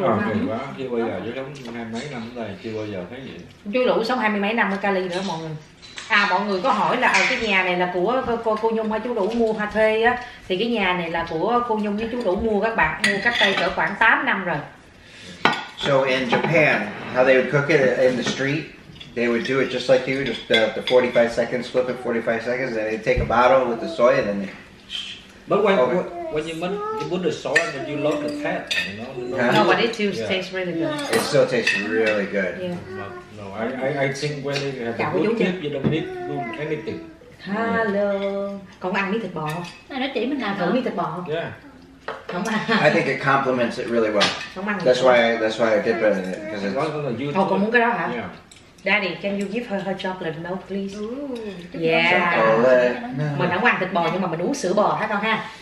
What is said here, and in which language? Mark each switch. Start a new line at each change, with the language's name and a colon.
Vietnamese: không kỳ quá, chưa bao giờ chứ sống hai mấy năm ở đây chưa bao giờ thấy vậy. Chú Lũ sống hai mươi mấy năm ở Cali nữa mọi người. À mọi người có hỏi là cái nhà này là của cô Nhung hay chú Lũ mua hay thuê á, thì cái nhà này là của cô Nhung với chú Lũ mua, các bạn mua cách đây cỡ khoảng 8 năm rồi.
English: So in Japan, how they would cook it in the street, they would do it just like you, just the 45 seconds, flip it 45 seconds, and they take a bottle with the soy and then they... But when you put the soy and you load the fat, you know? Yeah. No, but it still tastes really good. It still tastes really good. Yeah. No, I think when you have a good dip, you don't need to do anything.
Vietnamese: Hello. Còn ăn miếng thịt bò. Nó chỉ mình làm thử miếng thịt bò.
English: Yeah. I think it complements it really well. That's why I dip it in it. Because
Vietnamese: it's... Thôi, con muốn cái đó hả?
English: Yeah. Daddy, can you give her chocolate milk, please? Ooh, yeah. Chocolate.
Vietnamese: Mình không ăn thịt bò nhưng mà mình uống sữa bò hả con ha?